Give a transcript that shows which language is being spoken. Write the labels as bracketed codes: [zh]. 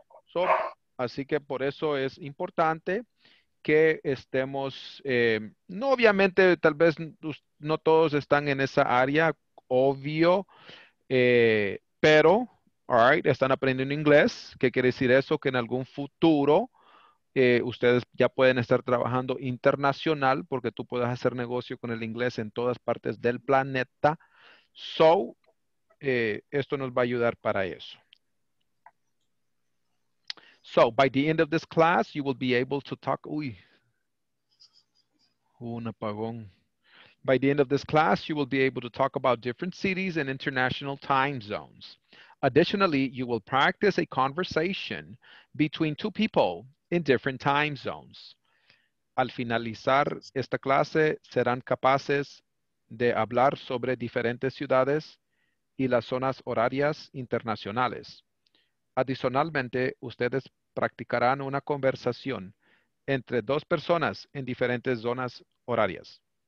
[es] So, así que por eso es importante que estemos, no obviamente, tal vez no todos están en esa área, obvio, pero, [en] all right, [es] están aprendiendo inglés. ¿Qué quiere decir eso? Que en algún futuro ustedes ya pueden estar trabajando internacional, porque tú puedes hacer negocio con el inglés en todas partes del planeta. So, esto nos va a ayudar para eso. [en] So, by the end of this class, you will be able to talk. [es] Uy, un apagón. [en] By the end of this class, you will be able to talk about different cities and international time zones. Additionally, you will practice a conversation between two people in different time zones. [es] Al finalizar esta clase, serán capaces de hablar sobre diferentes ciudades y las zonas horarias internacionales. Adicionalmente, ustedes practicarán una conversación entre dos personas en diferentes zonas horarias.